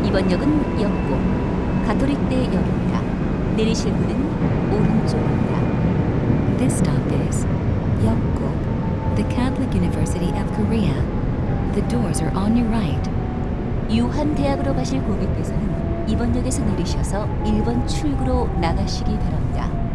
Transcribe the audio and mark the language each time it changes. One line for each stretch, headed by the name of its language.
Korean: 역은 역구 가톨릭대역입니다. 내리실 문은 오른쪽입니다.
English: This stop is 역구, the Catholic University of Korea. The doors are on your right.
Korean: 유한대학으로 가실 고객께서는 이번 역에서 내리셔서 1번 출구로 나가시기 바랍니다.